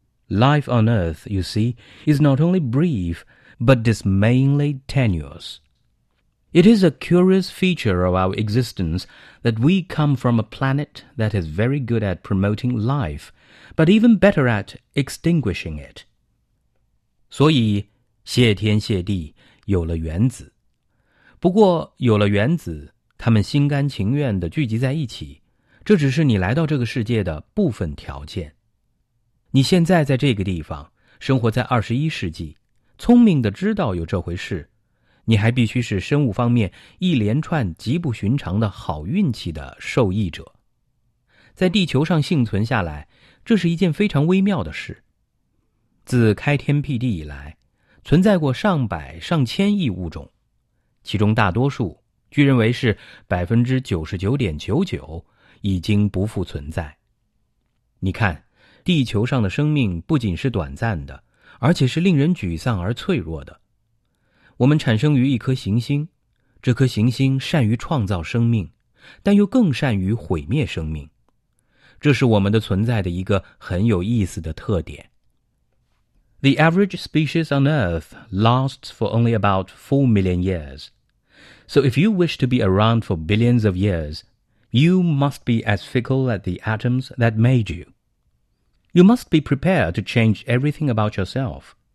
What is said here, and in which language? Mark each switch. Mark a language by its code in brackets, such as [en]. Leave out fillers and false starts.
[en] Life on Earth, you see, is not only brief, but dismayingly tenuous. It is a curious feature of our existence that we come from a planet that is very good at promoting life, but even better at extinguishing it. [zh] 所以，谢天谢地，有了原子。不过，有了原子，他们心甘情愿地聚集在一起，这只是你来到这个世界的部分条件。你现在在这个地方，生活在21世纪，聪明地知道有这回事，你还必须是生物方面一连串极不寻常的好运气的受益者。在地球上幸存下来，这是一件非常微妙的事。自开天辟地以来，存在过上百上千亿物种，其中大多数据认为是 99.99% 已经不复存在。你看，地球上的生命不仅是短暂的，而且是令人沮丧而脆弱的。我们产生于一颗行星，这颗行星善于创造生命，但又更善于毁灭生命。这是我们的存在的一个很有意思的特点。 [en] The average species on Earth lasts for only about 4 million years. So if you wish to be around for billions of years, you must be as fickle as the atoms that made you. You must be prepared to change everything about yourself.